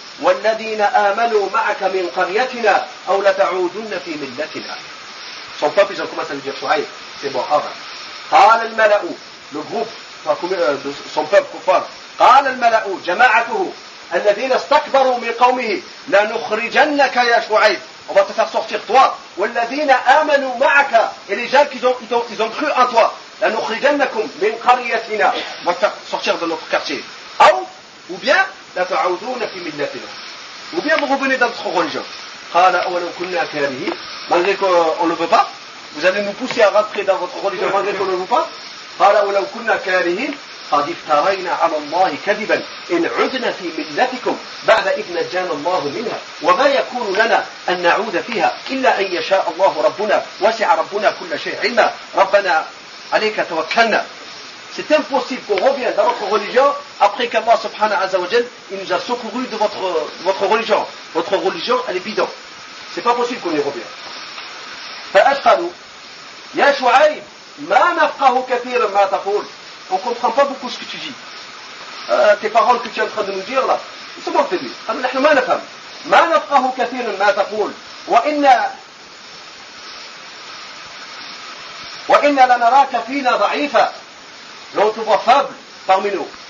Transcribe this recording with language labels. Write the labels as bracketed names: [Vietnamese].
[Arabic] والذين آمنوا معك من قريتنا أو لتعودن في ملتنا. [French] Son peuple, ils ont commencé à lui dire Shu'aib, c'est bon, arrête. [Arabic] قال الملأ, [French] le groupe, son peuple kuffar. [Arabic] قال الملأ جماعته الذين استكبروا من قومه لا نخرجنك يا شعيب. [French] On va te faire sortir toi. [Arabic] والذين آمنوا معك. [French] Et les gens qui ont cru en toi. [Arabic] لا نخرجنكم من قريتنا. [French] On va te faire sortir de notre quartier. Ou bien [Arabic] لا تعودون في ملتنا. [French] Ou bien vous revenez dans notre religion. [Arabic] قال أولو كنا كارهين. Malgré qu'on ne le veut pas. Vous allez nous pousser à rentrer dans votre religion malgré qu'on ne le veut pas. قال أولو كنا كارهين. قد افترينا على الله كذبا إن عدنا في ملتكم بعد إذ نجانا الله منها وما يكون لنا أن نعود فيها إلا أن يشاء الله ربنا وسع ربنا كل شيء علما ربنا عليك توكلنا. [French] C'est impossible qu'on revienne dans votre religion après qu'Allah subhanahu wa ta'ala il nous a secouru de votre religion. Votre religion elle est bidon. C'est pas possible qu'on y revienne. [Arabic] فأشقلوا يا شعيب ما نفقه كثيرا ما تقول. [French] On ne comprend pas beaucoup ce que tu dis. Tes paroles que tu es en train de nous dire là, ils sont mortes de lui. Alors, nous ne comprenons pas. [Arabic] Ma nafqahu kathirun ma taqul. Wa inna la naraka fina da'ifa. [French] L'on te voit faible parmi nous.